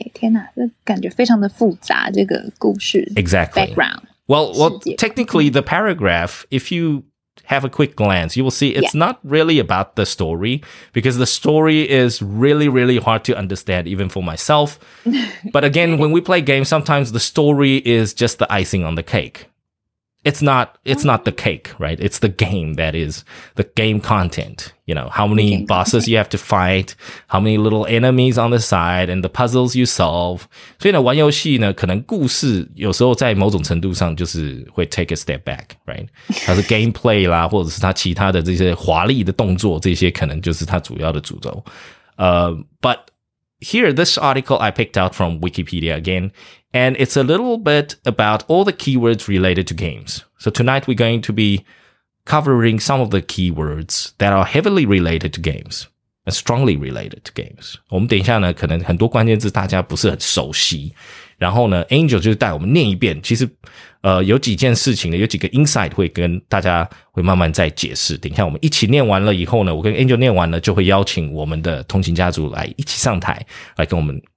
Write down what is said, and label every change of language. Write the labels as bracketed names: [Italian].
[Chinese] 天哪，这感觉非常的复杂。这个故事 [English] ，exactly background. Well, technically, the paragraph, if you have a quick glance, you will see it's not really about the story, because the story is really, really hard to understand, even for myself. But again, when we play games, sometimes the story is just the icing on the cake. It's not the cake, right? It's the game that is the game content. You know, how many bosses you have to fight, how many little enemies on the side, and the puzzles you solve. [Chinese] 所以呢，玩游戏呢，可能故事有时候在某种程度上就是会 [English] take a step back, right? [Chinese] 它是 gameplay 啦，或者是它其他的这些华丽的动作，这些可能就是它主要的主轴。 [English] But here, this article I picked out from Wikipedia again,And it's a little bit about all the keywords related to games. So tonight we're going to be covering some of the keywords that are heavily related to games, and strongly related to games. [Chinese] 我们等一下呢，可能很多关键字大家不是很熟悉。然后呢 ，Angel 就是带我们念一遍。其实，有几件事情呢，有几个 insight 会跟大家会慢慢再解释。等一下我们一起念完了以后呢，我跟 Angel 念完了，就会邀请我们的通勤家族来一起上台，来跟我们。